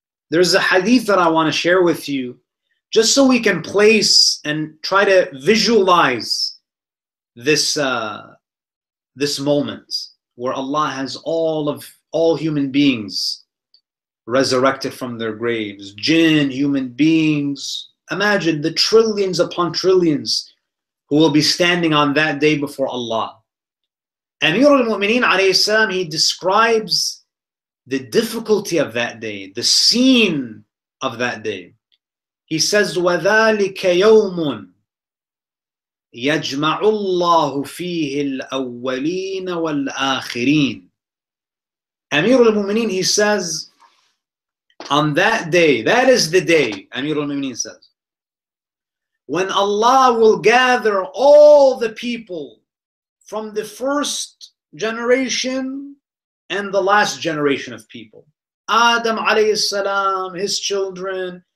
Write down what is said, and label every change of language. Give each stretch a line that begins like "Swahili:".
English: There's a hadith that I want to share with you, just so we can place and try to visualize this moment where Allah has all human beings resurrected from their graves, jinn, human beings. Imagine the trillions upon trillions who will be standing on that day before Allah. Amir al-Mu'mineen alayhi salam, he describes the difficulty of that day, the scene of that day. He says,
Arabic: وَذَلِكَ يَوْمٌ يَجْمَعُ اللَّهُ فِيهِ الْأَوَّلِينَ وَالْآخِرِينَ.
English: Amir al-Mu'mineen, he says, on that day, that is the day, Amir al-Mu'mineen says, when Allah will gather all the people from the first generation and the last generation of people. Adam alayhi salam, his children,